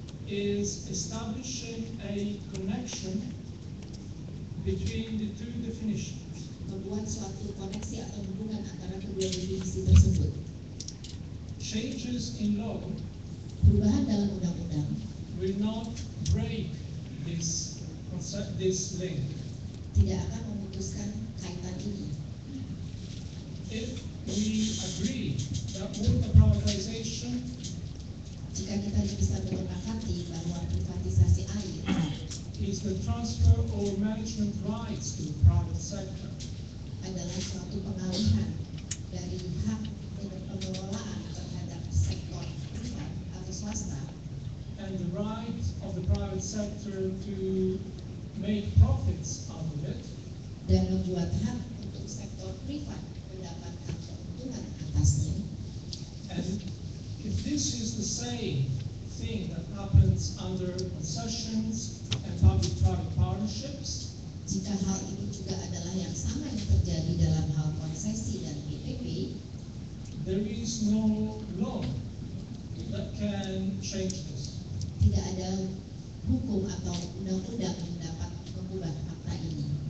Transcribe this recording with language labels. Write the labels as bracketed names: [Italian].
[English] Is establishing a connection between the two definitions. [Indonesian] Membuat suatu koneksi atau hubungan antara kedua definisi tersebut. [English] Changes in law. [Indonesian] Perubahan dalam undang-undang. [English] Will not break this concept, this link. [Indonesian] Tidak akan memutuskan kaitan ini. [English] If we agree that all the privatization. [Indonesian] Jika kita bisa menyepakati bahwa privatisasi air. [English] Is the transfer or management rights to the private sector. [Indonesian] Adalah suatu pengalihan dari hak pengelolaan terhadap sektor privat atau swasta. [English] And the right of the private sector to make profits out of it. [Indonesian] Dan membuat hak untuk sektor privat mendapatkan keuntungan atasnya. [English] And if this is the same thing that happens under concessions and public-private partnerships. [Indonesian] Jika hal itu juga adalah yang sama yang terjadi dalam hal konsesi dan PPP, [English] there is no law that can change this. [Indonesian] Tidak ada hukum atau undang-undang yang dapat mengubah fakta ini.